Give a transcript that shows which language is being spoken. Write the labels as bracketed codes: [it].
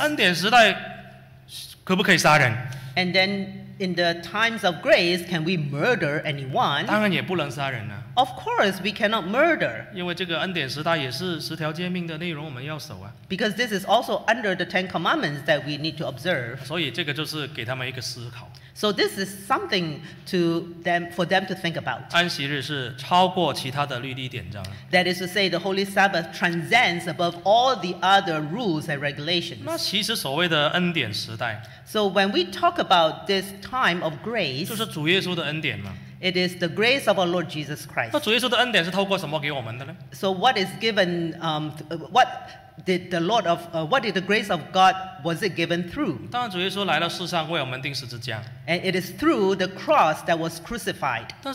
[zh] 恩典时代可不可以杀人？ [en] And then in the times of grace, can we murder anyone? [zh] 当然也不能杀人啊。 [en] Of course, we cannot murder. [zh] 因为这个恩典时代也是十条诫命的内容，我们要守啊。 [en] Because this is also under the Ten Commandments that we need to observe. [zh] 所以这个就是给他们一个思考。 [en] So this is something to them for them to think about. [zh] 安息日是超过其他的律例典章。 [en] That is to say, the Holy Sabbath transcends above all the other rules and regulations. [zh] 那其实所谓的恩典时代。 [en] So when we talk about this time of grace, [zh] 就是主耶稣的恩典嘛。 [en] It is the grace of our Lord Jesus Christ. [zh] 那主耶稣的恩典是透过什么给我们的呢？ [en] So what is given? What did the Lord of what did the grace of God was it given through? [zh] 当然，主耶稣来到世上为我们钉十字架。 [en] And it is through the cross that was crucified.